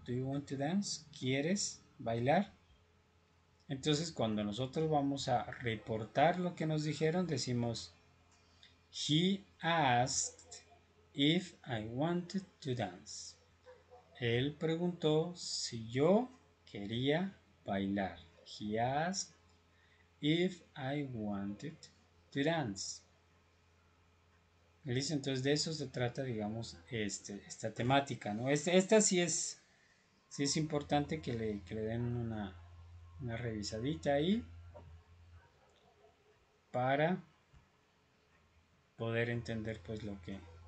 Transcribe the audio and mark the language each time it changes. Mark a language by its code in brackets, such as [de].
[en] ¿Do you want to dance? [es] ¿Quieres bailar? Entonces, cuando nosotros vamos a reportar lo que nos dijeron, decimos, [en] He asked if I wanted to dance. [es] Él preguntó si yo quería bailar. [en] He asked If I wanted to dance. [es] ¿Listo? Entonces de eso se trata, digamos, esta temática, ¿no? Esta sí es Sí, es importante que le den una revisadita ahí para poder entender pues lo que...